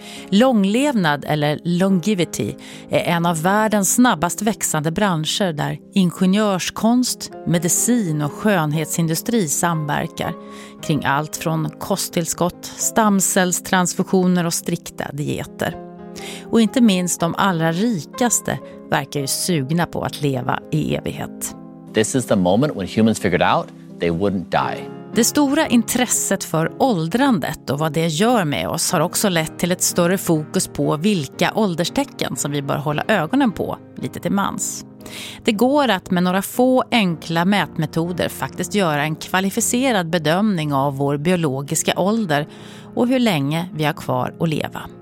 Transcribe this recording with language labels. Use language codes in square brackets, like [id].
[sv] Långlevnad eller longevity är en av världens snabbast växande branscher där ingenjörskonst, medicin och skönhetsindustri samverkar kring allt från kosttillskott, stamcellstransfusioner och strikta dieter. Och inte minst de allra rikaste verkar ju sugna på att leva i evighet. [en] This is the moment when humans figured out they wouldn't die. [sv] Det stora intresset för åldrandet och vad det gör med oss har också lett till ett större fokus på vilka ålderstecken som vi bör hålla ögonen på lite till mans. Det går att med några få enkla mätmetoder faktiskt göra en kvalificerad bedömning av vår biologiska ålder och hur länge vi har kvar att leva.